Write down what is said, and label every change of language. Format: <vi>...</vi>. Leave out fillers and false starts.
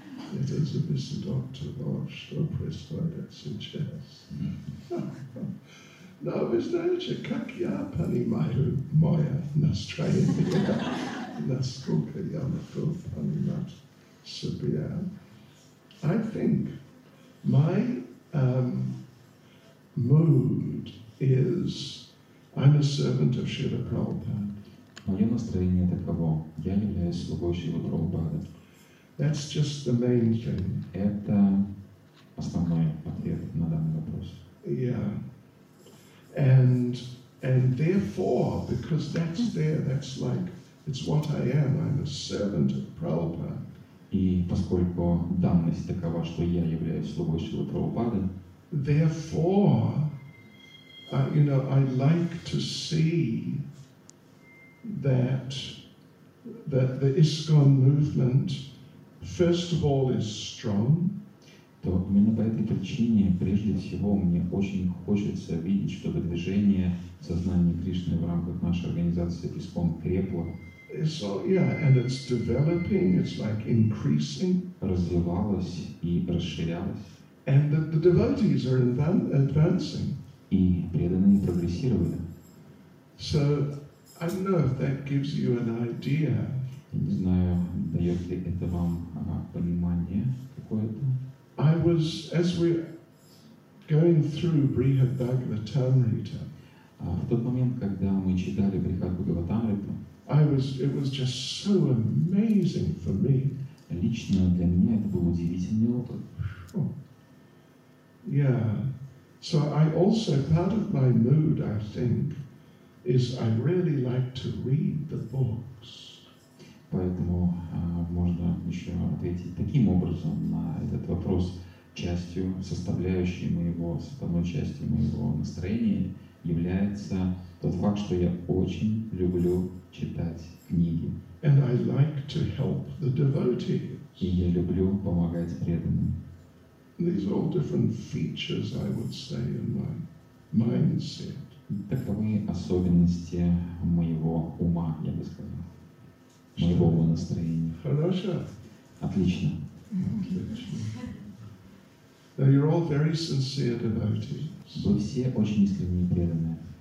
<en>It is a visit of Tavosh, or Prescott, I suggest.</en> <ru>Now, вы знаете, как я понимаю мое настроение, насколько я могу понимать себя.</ru> <en>I think my mood is, I'm a servant of Srila Prabhupada.</en> <ru>Мое настроение таково. Я являюсь слугой Шрилы Прабхупады.</ru> <en>That's just the main thing.</en> <ru>Это основной ответ на данный вопрос.</ru> <en>Yeah. And therefore, because that's there, that's like, it's what I am, I'm a servant of Prabhupada.</en> <ru>И поскольку данность такова, что я являюсь слугой Шрилы Прабхупады,</ru> <en>therefore, you know, I like to see that the ISKCON movement, first of all, is strong.</en> <ru>то именно по этой причине, прежде всего, мне очень хочется видеть, чтобы движение сознания Кришны в рамках нашей организации ИСККОН крепло.</ru> <en>So, yeah, and it's developing, it's like increasing.</en> <ru>Развивалось и расширялось.</ru> <en>And the devotees are advancing.</en> <ru>И преданные прогрессировали.</ru> <en>So, I don't know if that gives you an idea.</en> <ru>Не знаю, дает ли это вам понимание какое-то.</ru> <en>I was, as we're going through Brihadbhagavatamrita,</en> <ru>в тот момент, когда мы читали Брихадбхагаватамриту,</ru> <en>it was just so amazing for me.</en> <ru>Лично для меня это был удивительный опыт.</ru> <en>Yeah. So I also, part of my mood, I think, is I really like to read the books.</en> <ru>Поэтому можно еще ответить таким образом на этот вопрос. Частью, составляющей моего, составной частью моего настроения является тот факт, что я очень люблю читать книги.</ru> <en>And I like to help the devotees.</en> <ru>И я люблю помогать преданным.</ru> <en>These are all different features, I would say, in my mindset.</en> <ru>Таковы особенности моего ума, я бы сказал. Моего ума настроения. Хорошо. Отлично. Отлично.</ru> <en>Now you're all very sincere devotees.</en> <ru>Вы все очень искренне преданные.</ru>